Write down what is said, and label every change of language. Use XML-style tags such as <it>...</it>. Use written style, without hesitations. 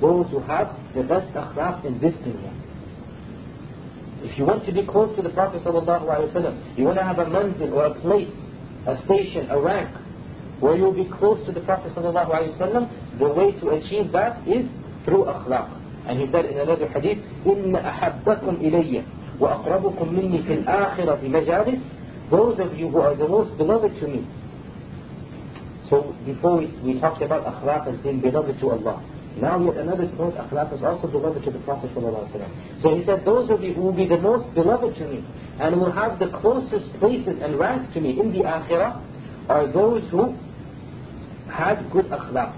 <en>Those who have the best akhlaq in this dunya. If you want to be close to the Prophet sallallahu alayhi wa sallam, you want to have a manzil or a place, a station, a rank, where you'll be close to the Prophet sallallahu alayhi wa sallam, the way to achieve that is through akhlaq. And he said in another hadith,</en> <ar>إِنَّ أَحَبَّكُمْ إِلَيَّ وَأَقْرَبُكُمْ مِنِّي فِي الْآخِرَةِ مَجَالِسِ.</ar> <en>Those of you who are the most beloved to me. So before we talked about akhlaq as being beloved to Allah. Now yet another point, akhlaq is also beloved to the Prophet ﷺ. So he said, those of you who will be the most beloved to me and will have the closest places and ranks to me in the akhirah are those who had good akhlaq.</en>